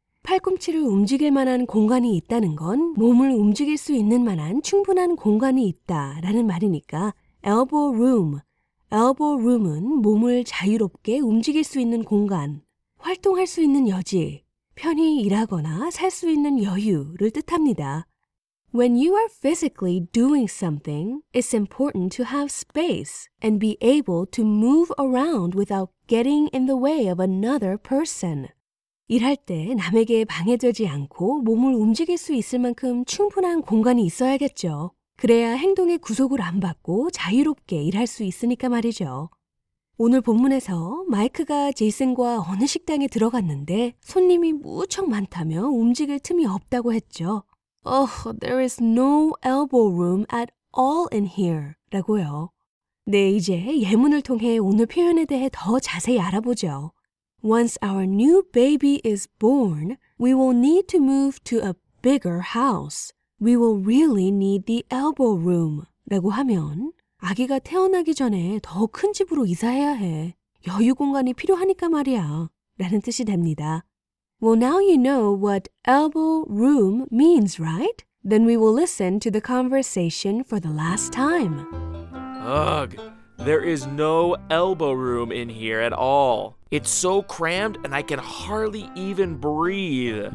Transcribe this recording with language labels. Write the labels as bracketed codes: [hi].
[ko] 팔꿈치를 움직일 만한 공간이 있다는 건 몸을 움직일 수 있는 만한 충분한 공간이 있다라는 말이니까 elbow room, elbow room은 몸을 자유롭게 움직일 수 있는 공간, 활동할 수 있는 여지, 편히 일하거나 살 수 있는 여유를 뜻합니다. [en] When you are physically doing something, it's important to have space and be able to move around without getting in the way of another person. [ko] 일할 때 남에게 방해되지 않고 몸을 움직일 수 있을 만큼 충분한 공간이 있어야겠죠. 그래야 행동의 구속을 안 받고 자유롭게 일할 수 있으니까 말이죠. 오늘 본문에서 마이크가 제이슨과 어느 식당에 들어갔는데 손님이 무척 많다며 움직일 틈이 없다고 했죠. [en] Oh, there is no elbow room at all in here. [ko] 라고요. 네, 이제 예문을 통해 오늘 표현에 대해 더 자세히 알아보죠. [en] Once our new baby is born, we will need to move to a bigger house. We will really need the elbow room. [ko] 라고 하면 아기가 태어나기 전에 더 큰 집으로 이사해야 해. 여유 공간이 필요하니까 말이야. 라는 뜻이 됩니다. [en] Well, now you know what elbow room means, right? Then we will listen to the conversation for the last time. Ugh, there is no elbow room in here at all. It's so crammed and I can hardly even breathe.